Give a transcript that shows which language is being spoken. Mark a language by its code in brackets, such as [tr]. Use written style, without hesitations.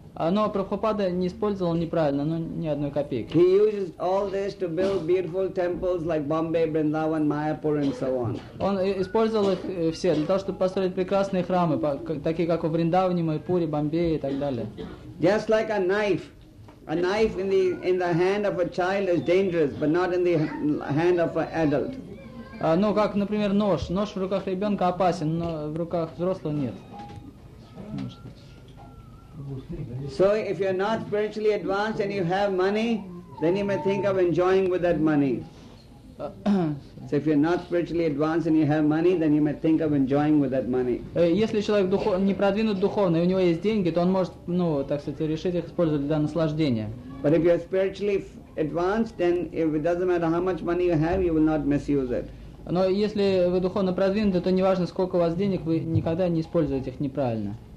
[ru] Но Прабхупада не использовал неправильно, ни одной копейки. [en] He uses all this to build beautiful temples like Bombay, Vrindavan, Mayapur and so on. [ru] Он использовал их все для того, чтобы построить прекрасные храмы, такие как в Вриндаване, Майпуре, Бомбее и так далее. [en] Just like a knife. A knife in the hand of a child is dangerous, but not in the hand of an adult. [ru] Как, например, нож. Нож в руках ребенка опасен, но в руках взрослого нет. [en] So if you're not spiritually advanced and you have money, then you may think of enjoying with that money. So if you're not spiritually advanced and you have money, then you may think of enjoying with that money. [ru] Если человек не продвинут духовно и у него есть деньги, то он может, решить их использовать для наслаждения. [en] But if you're spiritually advanced, then if it doesn't matter how much money you have, you will not misuse it. [ru] Но если вы духовно продвинуты, то неважно сколько у вас денег, вы никогда не используете их неправильно.